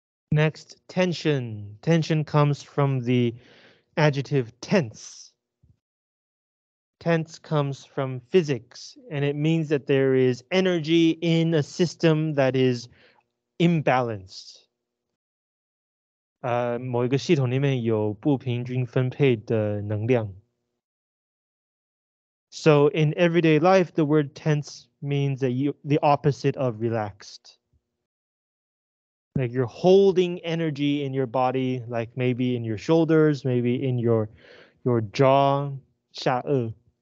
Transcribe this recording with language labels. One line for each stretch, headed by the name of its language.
English: Next, tension. Tension comes from the adjective tense. Tense comes from physics, and it means that there is energy in a system that is imbalanced.
Chinese: 某一个系统里面有不平均分配的能量.
English: So in everyday life, the word tense means that the opposite of relaxed. Like you're holding energy in your body, like maybe in your shoulders, maybe in your jaw.
Chinese: 下颚.